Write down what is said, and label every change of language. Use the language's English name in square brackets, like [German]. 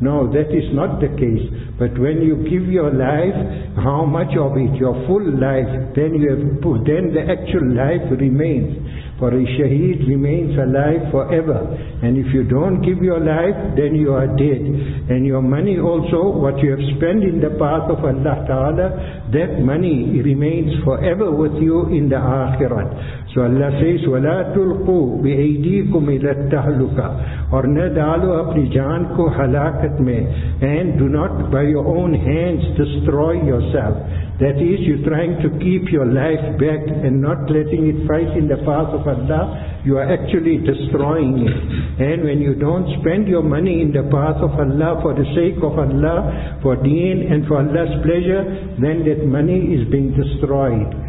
[English] No, that is not the case. But when you give your life, how much of it, your full life, then the actual life remains. For a shaheed remains alive forever. And if you don't give your life, then you are dead. And your money also, what you have spent in the path of Allah Ta'ala, that money remains forever with you in the Akhirat. So Allah says, [Arabic] وَلَا تُلْقُوا بِأَيْدِيكُمْ إِلَى التَّهْلُكَةِ [Urdu] اور نہ ڈالو اپنی جان کو ہلاکت میں. [English] And do not by your own hands destroy yourself. That is, you're trying to keep your life back and not letting it fight in the path of Allah. You are actually destroying it. And when you don't spend your money in the path of Allah for the sake of Allah, for deen and for Allah's pleasure, then that money is being destroyed.